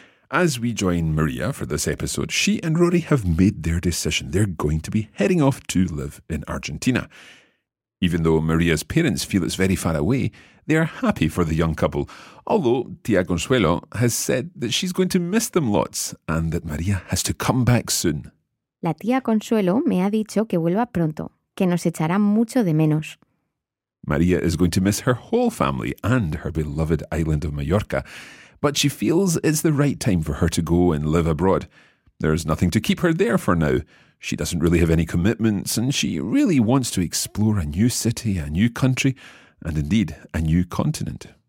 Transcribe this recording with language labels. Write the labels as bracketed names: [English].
[English] As we join Maria for this episode, she and Rory have made their decision. They're going to be heading off to live in Argentina. Even though Maria's parents feel it's very far away, they are happy for the young couple, although Tia Consuelo has said that she's going to miss them lots and that Maria has to come back soon. [Spanish] La tía Consuelo me ha dicho que vuelva pronto, que nos echará mucho de menos. [English] Maria is going to miss her whole family and her beloved island of Mallorca, but she feels it's the right time for her to go and live abroad. There's nothing to keep her there for now. She doesn't really have any commitments, and she really wants to explore a new city, a new country, and indeed, a new continent.